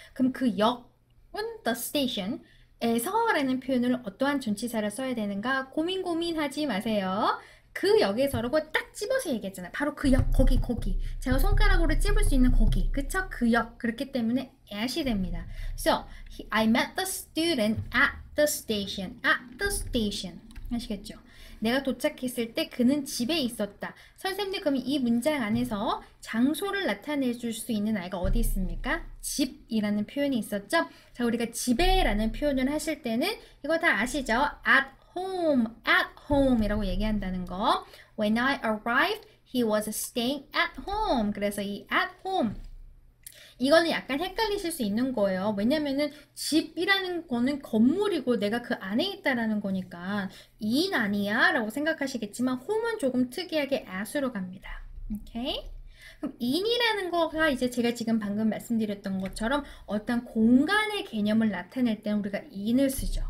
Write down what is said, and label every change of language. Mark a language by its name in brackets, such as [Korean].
[Korean] 그럼 그 역은 the station에서라는 표현을 어떠한 전치사를 써야 되는가 고민 고민하지 마세요. 그 역에서라고 딱 집어서 얘기했잖아요. 바로 그 역, 거기, 거기. 제가 손가락으로 집을 수 있는 거기. 그쵸? 그 역. 그렇기 때문에 at이 됩니다. [English] So, I met the student at the station. At the station. [Korean] 아시겠죠? 내가 도착했을 때 그는 집에 있었다. 선생님들, 그럼 이 문장 안에서 장소를 나타내 줄수 있는 아이가 어디 있습니까? 집이라는 표현이 있었죠? 자, 우리가 집에라는 표현을 하실 때는 이거 다 아시죠? At home이라고 얘기한다는 거. [English] When I arrived, he was staying at home. [Korean] 그래서 이 at home 이거는 약간 헷갈리실 수 있는 거예요. 왜냐면은 집이라는 거는 건물이고 내가 그 안에 있다라는 거니까 in 아니야? 라고 생각하시겠지만 home은 조금 특이하게 at으로 갑니다. 오케이? 그럼 in이라는 거가 이제 제가 지금 방금 말씀드렸던 것처럼 어떤 공간의 개념을 나타낼 때는 우리가 in을 쓰죠.